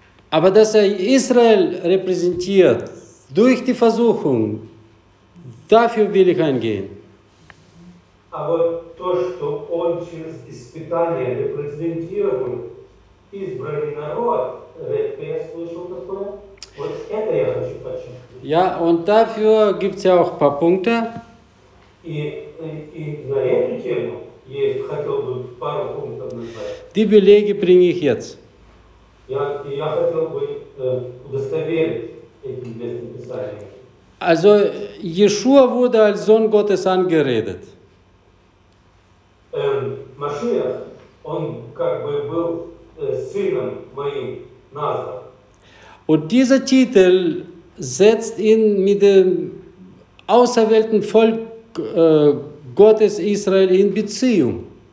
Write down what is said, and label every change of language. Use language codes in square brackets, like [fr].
[de] Aber dass er Israel repräsentiert durch die Versuchung, dafür will ich eingehen. [ru] А вот то, что он через испытание репрезентировал избранный народ, это я слышал такое, вот это я хочу подчеркнуть. [de] Ja, und dafür gibt's ja auch ein paar Punkte. [ru] И на эту тему я хотел бы пару пунктов назвать. [de] Die Belege bringe ich jetzt. [ru] Я хотел бы удостоверить этим местным писанием. [de] Also, Yeshua wurde als Sohn Gottes angeredet. Und dieser Titel setzt ihn mit dem auserwählten Volk Gottes Israel in Beziehung.